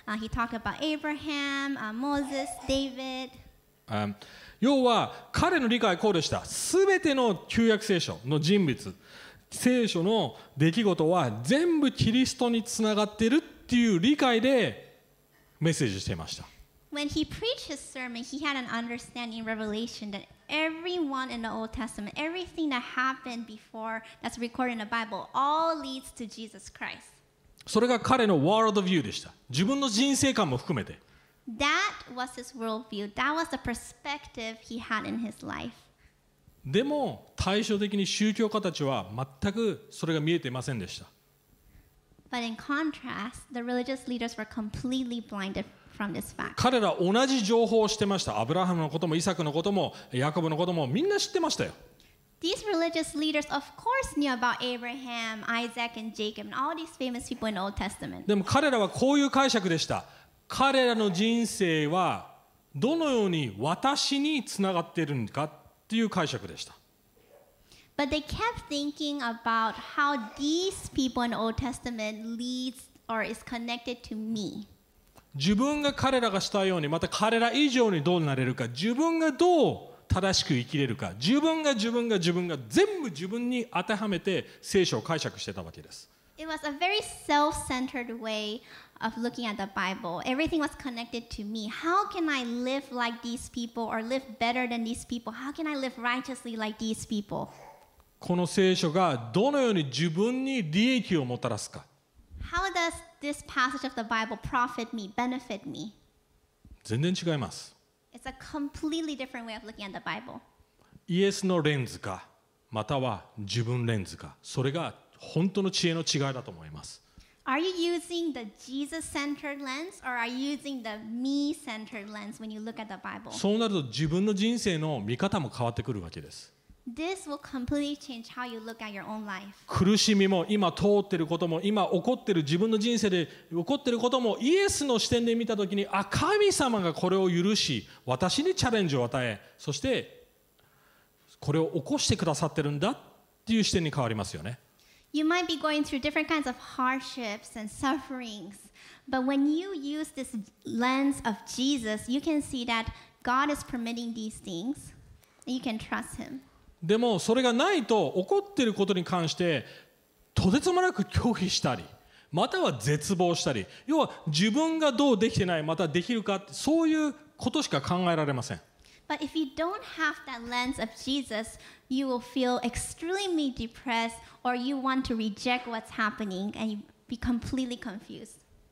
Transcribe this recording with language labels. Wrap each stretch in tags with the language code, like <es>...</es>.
<en>He talked about Abraham, Moses, David.</en> <ja>要は彼の理解考慮した。すべての旧約聖書の人物、聖書の出来事は全部キリストにつながっているっていう理解でメッセージしていました。</ja> <en>When he preached his sermon, he had an understanding revelation that everyone in the Old Testament, everything that happened before that's recorded in the Bible, all leads to Jesus Christ.</en> <ja>それが彼の world view でした。自分の人生観も含めて。</ja> <en>That was his world view. That was the perspective he had in his life.</en> <ja>でも対照的に宗教家たちは全くそれが見えていませんでした。</ja> <en>But in contrast, the religious leaders were completely blinded.</en> <ja>彼ら同じ情報を知ってました。アブラハムのことも、イサクのことも、ヤコブのこともみんな知ってましたよ。</ja> <en>These religious leaders of course knew about Abraham, Isaac and Jacob and all these famous people in the Old Testament.</en> <ja>でも彼らはこういう解釈でした。彼らの人生はどのように私につながっているのかっていう解釈でした。</ja> <en>But they kept thinking about how these people in the Old Testament leads or is connected to me.</en> <ja>自分が彼らがしたようにまた彼ら以上にどうなれるか自分がどう正しく生きれるか自分が自分が自分が全部自分に当てはめて聖書を解釈してたわけです。</ja> <en>It was a very self-centered way of looking at the Bible. Everything was connected to me. How can I live like these people or live better than these people? How can I live righteously like these people?</en> <ja>この聖書がどのように自分に利益をもたらすか。</ja> <en>How does this passage of the Bible profit me, benefit me?</en> <ja>全然違います。</ja> <en>It's a completely different way of looking at the Bible.</en> <ja>イエスのレンズか、または自分レンズか、それが本当の知恵の違いだと思います。</ja> <en>Are you using the Jesus-centered lens or are you using the me-centered lens when you look at the Bible?</en> <ja>そうなると自分の人生の見方も変わってくるわけです。</ja> <en>This will completely change how you look at your own life.</en> <ja>苦しみも今通っていることも今起こっている自分の人生で起こっていることもイエスの視点で見たときに、あ、神様がこれを許し、私にチャレンジを与え、そしてこれを起こしてくださってるんだっていう視点に変わりますよね。</ja> <en>You might be going through different kinds of hardships and sufferings, but when you use this lens of Jesus, you can see that God is permitting these things, and you can trust Him.</en> <ja>でもそれがないと起こっていることに関してとてつもなく拒否したりまたは絶望したり要は自分がどうできてないまたできるかそういうことしか考えられません。</ja> <en>But if you don't have that lens of Jesus, you will feel extremely depressed or you want to reject what's happening and you be completely confused.</en>